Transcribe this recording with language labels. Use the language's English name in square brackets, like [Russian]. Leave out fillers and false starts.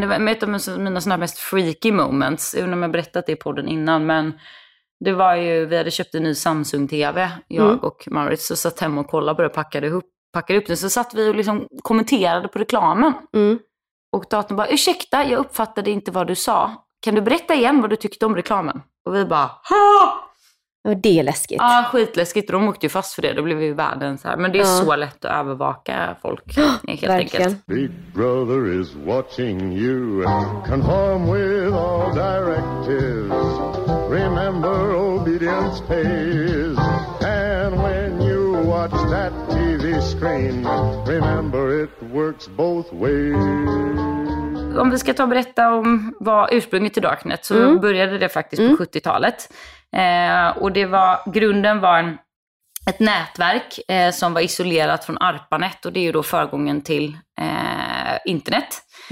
[Swedish] Det var ett av mina såna mest freaky moments, även om jag berättat det i podden innan, men det var ju, vi hade köpt en ny Samsung-tv, jag och Maurits, och satt hemma och kollade på det, packade upp den, så satt vi och liksom kommenterade på reklamen. Och datorn bara, ursäkta, jag uppfattade inte vad du sa. Kan du berätta igen vad du tyckte om reklamen? Och vi bara, Och det är läskigt. Ja, skitläskigt. De åkte ju fast för det. Då blev vi i världen så här. Men det är så lätt att övervaka folk, helt verkligen. Enkelt. [English] Big brother is watching you. Conform with all directives. Remember obedience pays. And when you watch that TV screen, remember it works both ways. [Swedish] Om vi ska ta och berätta om vad ursprunget till darknet, så började det faktiskt på 70-talet. Och det var, grunden var ett nätverk som var isolerat från ARPANET, och det är ju då föregången till internet.